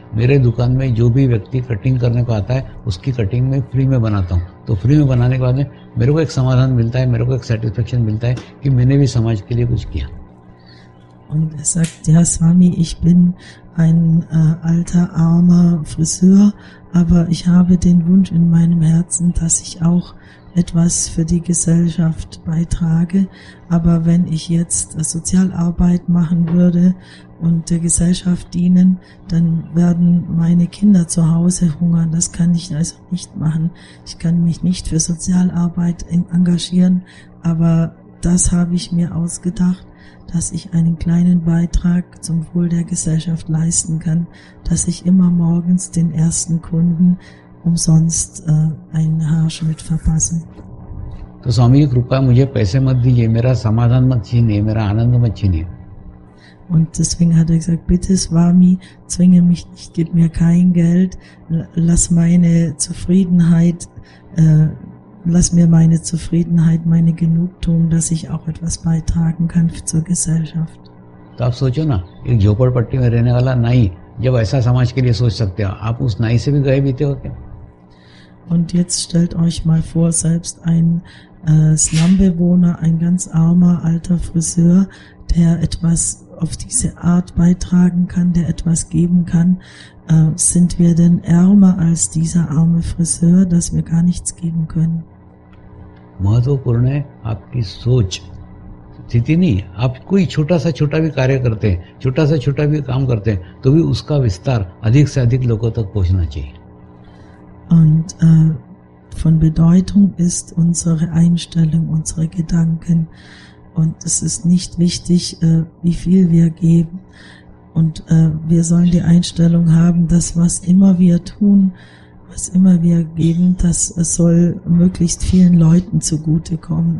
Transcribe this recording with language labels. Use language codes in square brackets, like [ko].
[hi] मेरे दुकान में जो भी व्यक्ति कटिंग करने को आता है उसकी कटिंग मैं फ्री में बनाता हूँ. तो फ्री में बनाने के बाद में मेरे को एक समाधान मिलता है, मेरे को एक सेटिस्फेक्शन मिलता है कि मैंने भी समाज के लिए कुछ किया. [de] Und er sagt, ja Swami, ich bin ein alter armer Friseur, aber ich habe den Wunsch in meinem Herzen, dass ich auch etwas für die Gesellschaft beitrage. Aber wenn ich jetzt Sozialarbeit machen würde und der Gesellschaft dienen, dann werden meine Kinder zu Hause hungern. Das kann ich also nicht machen. Ich kann mich nicht für Sozialarbeit engagieren, aber das habe ich mir ausgedacht, dass ich einen kleinen Beitrag zum Wohl der Gesellschaft leisten kann, dass ich immer morgens den ersten Kunden umsonst einen Haarschnitt verpasse. [hi] तो स्वामी जी कृपया मुझे पैसे मत दीजिए, मेरा समाधान मत छीनिए, मेरा आनंद मत छीनिए. [de] Und deswegen hat er gesagt, bitte Swami, zwinge mich nicht, gib mir kein Geld, lass meine Zufriedenheit, lass mir meine Zufriedenheit, meine Genugtuung, dass ich auch etwas beitragen kann zur Gesellschaft. [hi] तो आप सोचो ना, एक झोपड़पट्टी में रहने वाला नाई जब ऐसा समाज के लिए सोच सकते हैं, आप उस नाई से भी गए बीते हो क्या? [de] Und jetzt stellt euch mal vor, selbst ein Slumbewohner, ein ganz armer alter Friseur, der etwas auf diese Art beitragen kann, der etwas geben kann, sind wir denn ärmer als dieser arme Friseur, dass wir gar nichts geben können? [hi] महत्वपूर्ण है आपकी सोच स्थिति नहीं. आप कोई छोटा सा भी कार्य करते हैं, छोटा सा भी काम करते हैं, तो भी उसका विस्तार अधिक से अधिक लोगों तक पहुंचना चाहिए. [de] Und von Bedeutung ist unsere Einstellung, unsere Gedanken. Und es ist nicht wichtig, wie viel wir geben. Und wir sollen die Einstellung haben, dass was immer wir tun, was immer wir geben, das soll möglichst vielen Leuten zugutekommen.